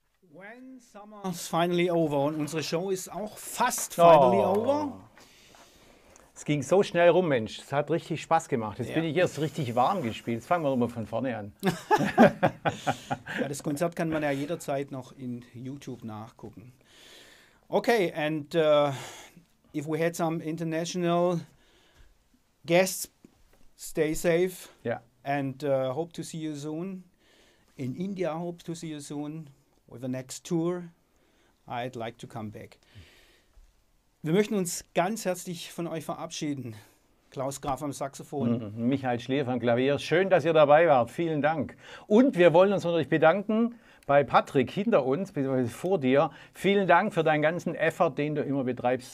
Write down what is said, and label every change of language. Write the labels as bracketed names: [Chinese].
[English] When Summer's Finally Over. [German] Und unsere Show ist auch fast [English] finally over. [German] Es ging so schnell rum, Mensch. Es hat richtig Spaß gemacht. Jetzt bin ich erst richtig warm gespielt. Jetzt fangen wir mal von vorne an. Das Konzert kann man ja jederzeit noch in YouTube nachgucken. [English] Okay, and if we had some international guests, stay safe. Yeah. And hope to see you soon. In India, hope to see you soon. With the next tour, I'd like to come back. [German] Wir möchten uns ganz herzlich von euch verabschieden. Klaus Graf am Saxophon. Michael Schlier vom Klavier. Schön, dass ihr dabei wart. Vielen Dank. Und wir wollen uns natürlich bedanken bei Patrick hinter uns, beziehungsweise vor dir. Vielen Dank für deinen ganzen Effort, den du immer betreibst.